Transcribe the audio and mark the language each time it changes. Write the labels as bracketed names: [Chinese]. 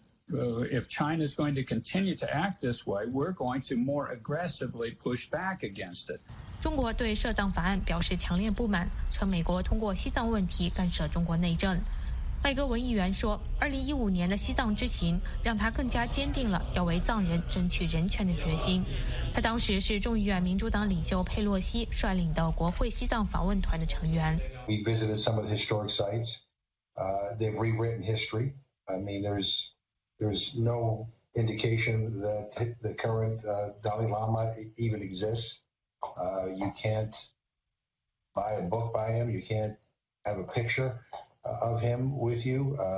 [English] If China is going to continue to act this way, we're going to more aggressively push back against it. [Chinese] 中国对涉藏法案表示强烈不满，称美国通过西藏问题干涉中国内政。麦戈文议员说，2015年的西藏之行让他更加坚定了要为藏人争取人权的决心。他当时是众议院民主党领袖佩洛西率领的国会西藏访问团的成员。 [English] We visited some of the historic sites. They've rewritten history. I mean, there's no indication that the current Dalai Lama even exists. You can't buy a book by him. You can't have a picture. Of him with you.